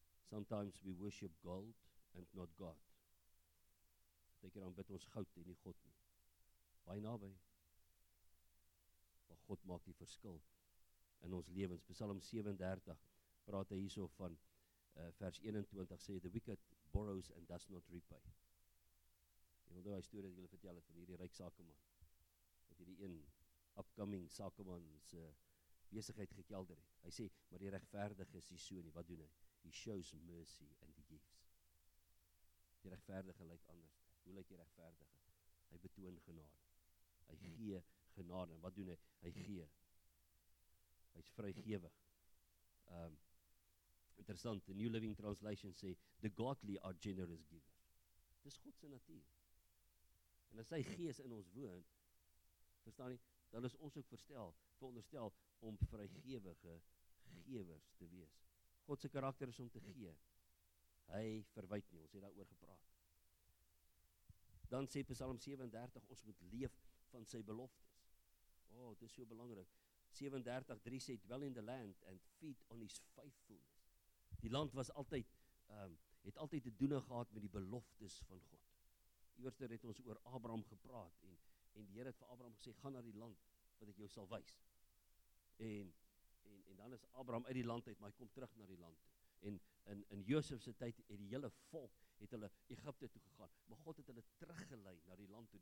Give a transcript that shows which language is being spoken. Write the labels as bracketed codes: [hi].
[en] Sometimes we worship gold and not God. [af] Ek dan bid ons goud en nie God nie. Baie naby. Maar God maak die verskil in ons lewens. Psalm 37 praat hy hierso van vers 21 sê, [en] the wicked borrows and does not repay. [af] Jy wil nou die story dat jy hulle vertel het van hierdie ryk sakeman. Dat hierdie een upcoming sakeman se besigheid gekelder het. Hy sê, maar die regverdige is nie so nie. Wat doen hy? [en] He shows mercy and he gives. [af] Die regverdige lyk anders. Hoe lyk jy regverdige? Hy betoon genade. Hy gee genade. En wat doen hy? Hy gee. Hy is vrygewig. [en] Interessant, the New Living Translation sê, the godly are generous givers. [af] Dis God se natuur. En as sy gees in ons woon, verstaan jy, dan is ons ook veronderstel om vrygewige gewers te wees. God se karakter is om te gee. Hy verwyd nie, ons het daaroor gepraat. Dan sê Psalm 37, ons moet leef van sy beloftes. Oh, dit is so belangrik. [en] 37:3 sê, dwell in the land and feed on his faithfulness. [af] Die land was altyd, het altyd te doen gehad met die beloftes van God. Eerste het ons oor Abraham gepraat en die Here het vir Abraham gesê, ga na die land wat ek jou sal wys. En dan is Abraham uit die land uit, maar hy kom terug na die land toe. En in Josef se tyd het die hele volk het hulle Egypte toe gegaan, maar God het hulle teruggelei na die land toe.